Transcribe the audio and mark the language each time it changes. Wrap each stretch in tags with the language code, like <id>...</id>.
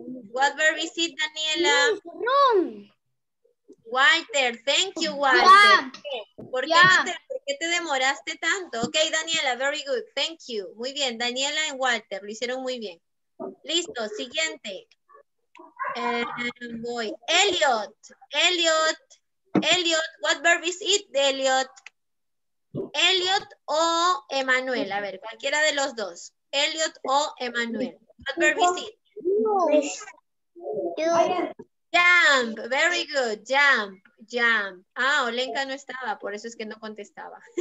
<en>What verb is it, Daniela? Walter, thank you, Walter.</en> <es>¿Por qué te demoraste tanto?</es> <en>Ok, Daniela, very good, thank you.</en> <es>Muy bien, Daniela y Walter, lo hicieron muy bien. Listo, siguiente. Voy.</es> <en>Elliot, Elliot, Elliot, what verb is it, Elliot?</en> <es>Elliot o Emanuel, a ver, cualquiera de los dos.</es> <en>Elliot o Emanuel, what verb is it? Jump, very good, jump, jump.</en> <es>Ah, Olenka no estaba, por eso es que no contestaba.</es>